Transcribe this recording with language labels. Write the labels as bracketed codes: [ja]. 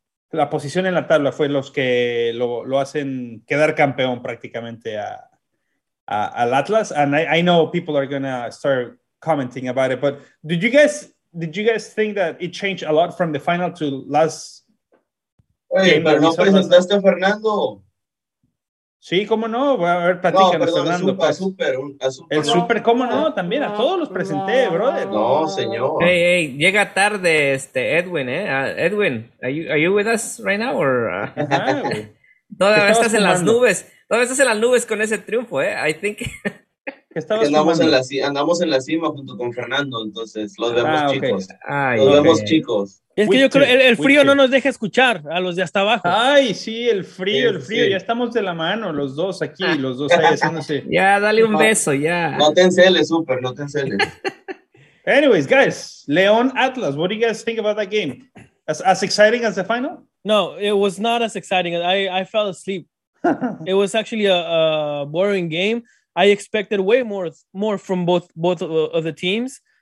[es] La posición en la tabla fue los que lo hacen quedar campeón prácticamente al Atlas. [en] And I know people are going to start commenting about it. But did you guys think that it changed a lot from the final to last [es] game? Oye, pero no presentaste a Fernando. Sí, cómo no. Voy a ver, platícanos, no, Fernando. A super. El super, cómo no. También a todos los presenté, brother. No, señor. [en] Hey, [es] llega tarde [en] Edwin, Edwin, are you with us right now? Or [es] Todavía estás fumando. En las nubes. Todavía estás en las nubes con ese triunfo, ¿eh? [en] I think. [es] Andamos en la cima junto con Fernando, entonces los vemos, chicos. Okay. Ay, los vemos, chicos. Es que yo creo que el frío no nos deja escuchar a los de hasta abajo. Ay, sí, el frío. Sí. Ya estamos de la mano, los dos aquí, los dos ahí haciéndose. Ya, dale un beso, ya. No te enceles, súper, no te enceles. [en] Anyways, guys, León Atlas, what do you guys think about that game? As exciting as the final? No, it was not as exciting. I fell asleep. It was actually a boring game. I expected way more from both of the teams.